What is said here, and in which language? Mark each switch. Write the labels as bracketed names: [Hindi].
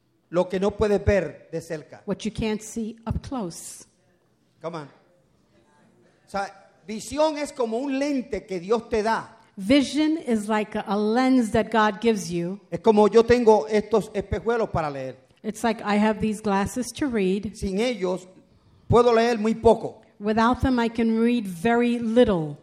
[Spanish] Lo que no puedes ver de cerca. [English] What you can't see up close. Come on. [Spanish] O sea, visión es como un lente que Dios te da. [English] Vision is like a lens that God gives you. [Spanish] Es como yo tengo estos espejuelos para leer. [English] It's like I have these glasses to read. [Spanish] Sin ellos, puedo leer muy poco. [English] Without them, I can read very little.